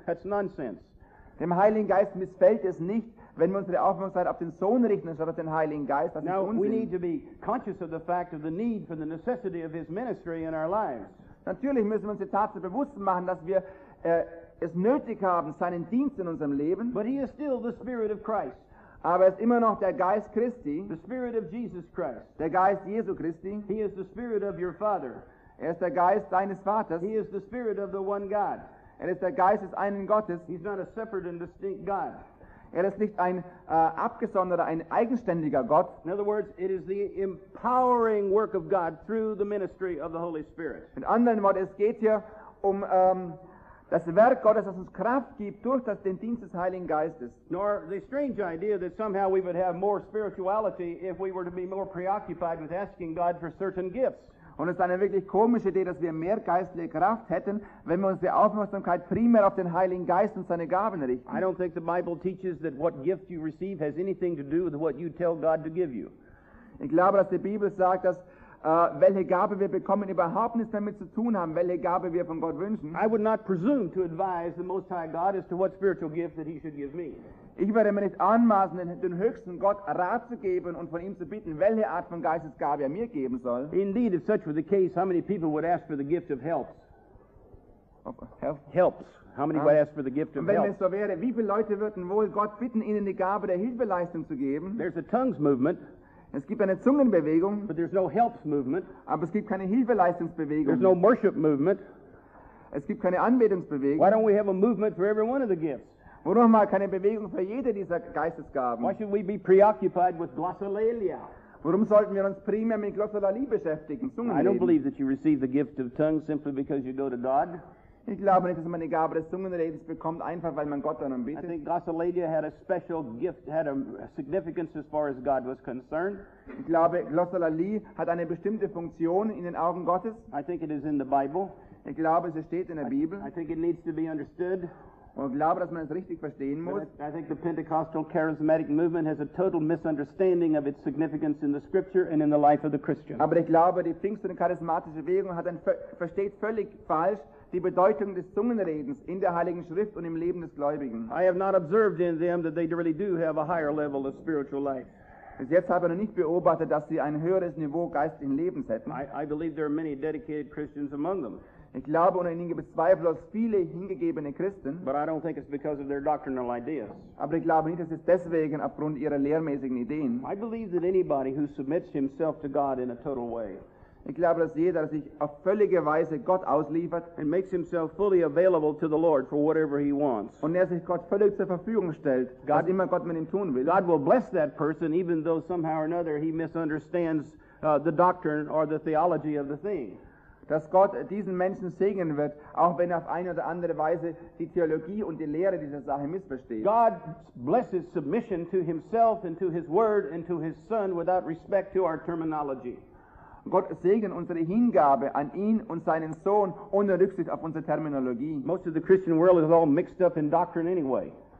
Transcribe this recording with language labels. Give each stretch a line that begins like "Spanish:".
English: That's nonsense.
German: Dem Heiligen Geist missfällt es nicht, wenn wir unsere Aufmerksamkeit auf den Sohn richten, statt auf den Heiligen Geist. Das
English: Now,
German: ist Unsinn.
English: We need to be conscious of the fact of the need for the necessity of his ministry in our lives.
German: Natürlich müssen wir uns die Tatsache bewusst machen, dass wir es nötig haben, seinen Dienst in unserem Leben.
English: But he is still the Spirit of Christ.
German: Aber es ist immer noch der Geist Christi.
English: The Spirit of Jesus Christ.
German: Der Geist Jesu Christi.
English: He is the Spirit of your Father.
German: Er ist der Geist deines Vaters.
English: He is the Spirit of the one God.
German: Er ist der Geist des einen Gottes.
English: He's not a separate and distinct God.
German: Er ist nicht ein abgesonderter, ein eigenständiger Gott.
English: In other words, it is the empowering work of God through the ministry of the Holy Spirit.
German: Mit anderen Worten, es geht hier um das Werk Gottes, das uns Kraft gibt durch den Dienst des Heiligen Geistes.
English: Nor the strange idea that somehow we would have more spirituality if we were to be more preoccupied with asking God for certain gifts.
German: Und es ist eine wirklich komische Idee, dass wir mehr geistliche Kraft hätten, wenn wir unsere Aufmerksamkeit primär auf den Heiligen Geist und seine Gaben richten.
English: I don't think the Bible teaches that what gift you receive has anything to do with what you tell God to give you.
German: Ich glaube, dass die Bibel sagt, dass welche Gabe wir bekommen, überhaupt nichts damit zu tun haben, welche Gabe wir von Gott wünschen.
English: I would not presume to advise the Most High God as to what spiritual gift that he should give me.
German: Ich werde mir nicht anmaßen, den höchsten Gott Rat zu geben und von ihm zu bitten, welche Art von Geistesgabe er mir geben soll.
English: Indeed, if such were the case, how many people would ask for the gift of helps? Helps. How many would ask for the gift of
German: wenn
English: help?
German: Wenn es so wäre, wie viele Leute würden wohl Gott bitten, ihnen die Gabe der Hilfeleistung zu geben?
English: There's a tongues movement.
German: Es gibt eine Zungenbewegung.
English: But there's no helps movement.
German: Aber es gibt keine Hilfeleistungsbewegung.
English: There's no worship movement.
German: Es gibt keine Anbetungsbewegung.
English: Why don't we have a movement for every one of the gifts?
German: Wo nochmal keine Bewegung für jede dieser Geistesgaben.
English: Why should we be preoccupied with glossolalia?
German: Warum sollten wir uns primär mit Glossolalie beschäftigen?
English: I don't believe that you receive the gift of tongues simply because you go to God.
German: Ich glaube nicht, dass man die Gabe des Zungenredens bekommt, einfach weil man Gott darum bittet.
English: I think glossolalia had a special gift, had a significance as far as God was concerned.
German: Ich glaube, Glossolalie hat eine bestimmte Funktion in den Augen Gottes.
English: I think it is in the Bible.
German: Ich glaube, es steht in der Bibel.
English: I think it needs to be understood.
German: Und ich glaube, dass man es richtig verstehen muss.
English: I think the Pentecostal charismatic movement has a total misunderstanding of its significance in the scripture and in the life of the Christian.
German: Aber ich glaube, die Pfingsten charismatische Bewegung versteht völlig falsch die Bedeutung des Zungenredens in der Heiligen Schrift und im Leben des Gläubigen.
English: I have not observed in them that they really do have a higher level of spiritual life.
German: Bis jetzt habe ich noch nicht beobachtet, dass sie ein höheres Niveau geistlichen Lebens hätten.
English: I believe there are many dedicated Christians among them.
German: Ich glaube, ohne ihn gibt es zweifellos viele hingegebene Christen.
English: But I don't think it's because of their doctrinal ideas.
German: Aber ich glaube nicht, dass es deswegen aufgrund ihrer lehrmäßigen Ideen.
English: I believe that anybody who submits himself to God in a total way.
German: Ich glaube, dass jeder sich auf völlige Weise Gott ausliefert
English: and makes himself fully available to the Lord for whatever he wants.
German: Und er sich Gott völlig zur Verfügung stellt, God, was immer Gott mit ihm tun will.
English: God will bless that person, even though somehow or another he misunderstands the doctrine or the theology of the thing.
German: Dass Gott diesen Menschen segnen wird, auch wenn er auf eine oder andere Weise die Theologie und die Lehre dieser Sache missversteht.
English: God blesses submission to himself and to his word and to his son without respect to our terminology.
German: Gott segnet unsere Hingabe an ihn und seinen Sohn ohne Rücksicht auf unsere Terminologie.
English: Most of the Christian world is all mixed up in doctrine anyway.